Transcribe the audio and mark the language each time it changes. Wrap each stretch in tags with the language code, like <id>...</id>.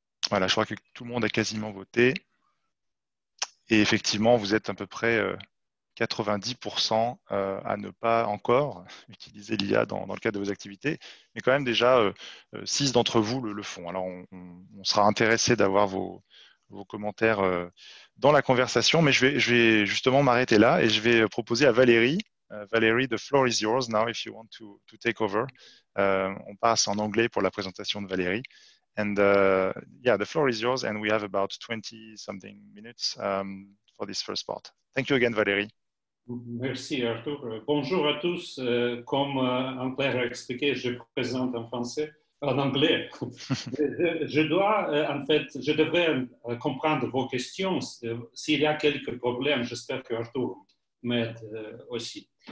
<fr>Voilà, je crois que tout le monde a quasiment voté. Et effectivement, vous êtes à peu près 90% à ne pas encore utiliser l'IA dans le cadre de vos activités, mais quand même déjà 6 d'entre vous le font. Alors, on sera intéressé d'avoir vos commentaires dans la conversation, mais je vais justement m'arrêter là et je vais proposer à Valérie.</fr> <en>Valérie, the floor is yours now if you want to take over.</en> <fr>On passe en anglais pour la présentation de Valérie.</fr> <en>And yeah, the floor is yours and we have about 20 something minutes for this first part. Thank you again, Valérie.</en> <fr>Merci, Arthur. Bonjour à tous. Comme Anne-Claire a expliqué, je présente en français, en anglais. je devrais comprendre vos questions. S'il y a quelques problèmes, j'espère que Arthur m'aide aussi.</fr>